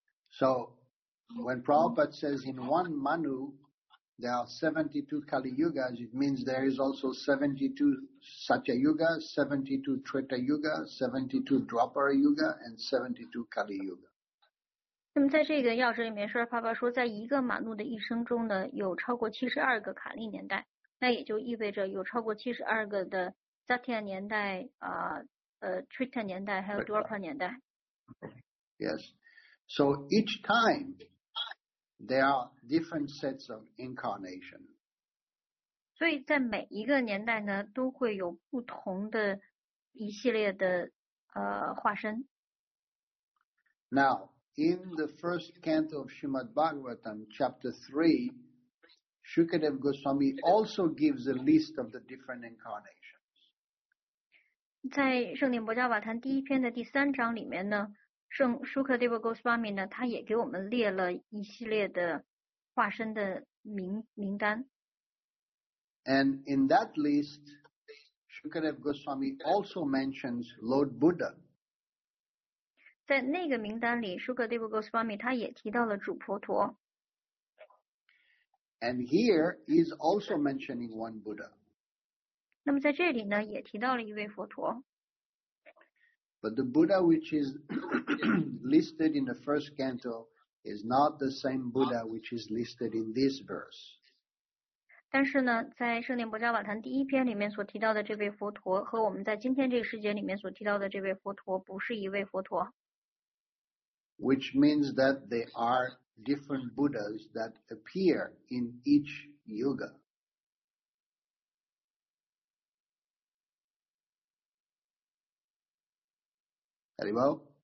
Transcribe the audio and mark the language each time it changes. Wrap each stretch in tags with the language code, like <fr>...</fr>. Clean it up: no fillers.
<en>So when Prabhupada says in one Manu there are 72 Kali Yugas, it means there is also 72 Satya Yuga, 72 Treta Yuga, 72 Dwapara Yuga, and 72 Kali Yuga.</en> <zh>那么在这个钥匙里面，说爸爸说，在一个 Manu 的一生中呢，有超过72个卡利年代。那也就意味着有超过72个的 Satya 年代、Trita 年代还有 Dwapara 年代。</zh> <en>Yes. So each time there are different sets of incarnation.</en> <zh>所以在每一个年代呢都会有不同的一系列的化身。</zh> <en>Now, in the first canto of Srimad Bhagavatam, chapter 3,Shukadev Goswami also gives a list of the different incarnations.</en> <zh>在圣典薄伽瓦坛第一篇的第三章里面呢，圣 Shukadev Goswami 呢，他也给我们列了一系列的化身的名单。</zh> <en>And in that list, Shukadev Goswami also mentions Lord Buddha.</en> <zh>在那个名单里 Sukadeva Goswami 他也提到了主婆陀。</zh> <en>And here he's also mentioning one Buddha.</en> <zh>那么在这里呢也提到了一位佛陀。</zh> <en>But the Buddha which is listed in the first canto is not the same Buddha which is listed in this verse.</en> <zh>但是呢在圣殿伯扎瓦坛第一篇里面所提到的这位佛陀和我们在今天这个世界里面所提到的这位佛陀不是一位佛陀。</zh> <en>Which means that they are different Buddhas that appear in each yuga. Very well.</en>